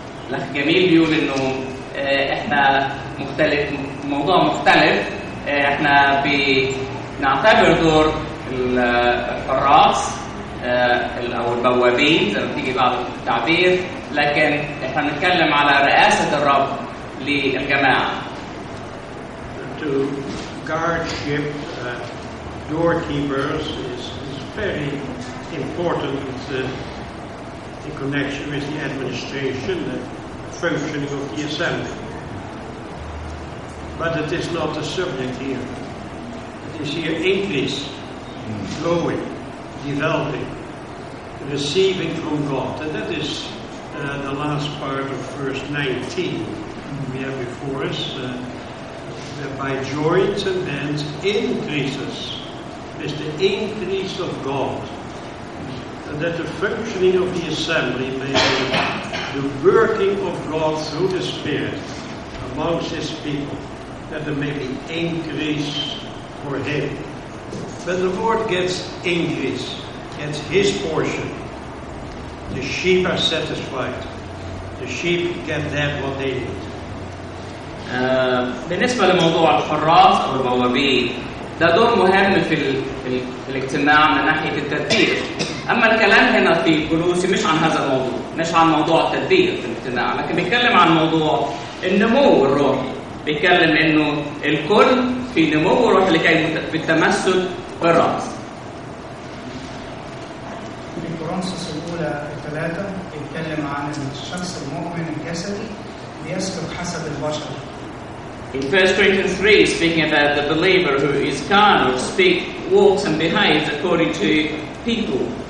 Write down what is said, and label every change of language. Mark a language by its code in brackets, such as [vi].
[ar] الأخ جميل بيقول إنه إحنا مختلف موضوع مختلف إحنا بنعتبر دور الحراس أو البوابين زي ما تيجي بعض التعبير لكن إحنا نتكلم على رئاسة الرب للجماعة. [en] To guardship doorkeepers is very important in connection with the administration and functioning of the assembly. But it is not the subject here. It is here increase, growing, developing, receiving from God. And that is the last part of verse 19 we have before us. Whereby joints and bands increases with the increase of God. And that the functioning of the assembly may be the working of God through the Spirit amongst His people, that there may be increase for Him. When the Lord gets increase, gets His portion, the sheep are satisfied. The sheep get that what they need. [ar] بالنسبة لموضوع الحراس أو البوابين, ده دور مهم في الاجتماع من ناحية التدبير. أما الكلام هنا في كولوسي مش عن هذا الموضوع, مش عن موضوع التدبير في الاجتماع, لكن بيتكلم عن موضوع النمو الروحي. بيتكلم إنه الكل في نمو روحي اللي كان في التمسك بالرأس. في كورنثوس الأولى الثلاثة بيتكلم عن الشخص المؤمن الجسدي بيسلك حسب البشر. [en] In 1 Corinthians 3, speaking about the believer who is carnal, speak, walks and behaves according to people.